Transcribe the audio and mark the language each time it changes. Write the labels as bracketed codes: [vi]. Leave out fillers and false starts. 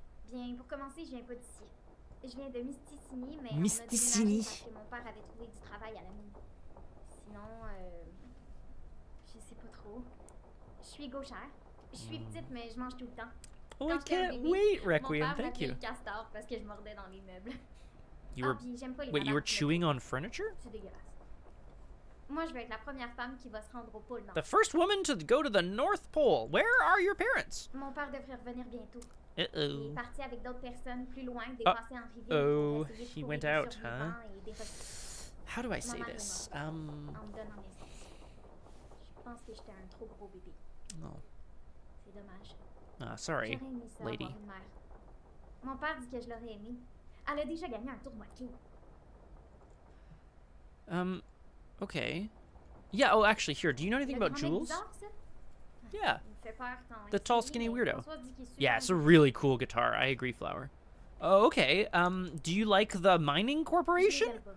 [fr] Bien, pour commencer, je viens pas d'ici. Je viens de Mistissini, mais Mistissini. On a déménagé parce que mon père avait trouvé du travail à la mine. Sinon, je sais pas trop. Je suis gauchère. Je suis petite, mais je mange tout le temps. [en] Oh, I can't wait, Requiem, thank you. [fr] Castor parce que je mordais dans les meubles. [en] You were, wait, you were chewing on furniture? [fr] C'est dégueulasse. Moi, je vais être la première femme qui va se rendre au pôle Nord. [en] The first woman to go to the North Pole. Where are your parents? [fr] Mon père devrait revenir bientôt. Uh-oh. Il est parti avec d'autres personnes plus loin, dépassé en rivière. Oh, [en] he went out, huh? How do I say this? [fr] En me donnant naissance. Je pense que j'étais un trop gros bébé. Oh. C'est dommage. [en] Sorry, lady. [fr] Mon père dit que je l'aurais aimé. Elle a déjà gagné un tournoi de clou. Okay. [en] Yeah, oh, actually, here. Do you know anything about Jules? Yeah. The tall, skinny weirdo. Yeah, it's a really cool guitar. I agree, Flower. Oh, okay. Do you like the mining corporation?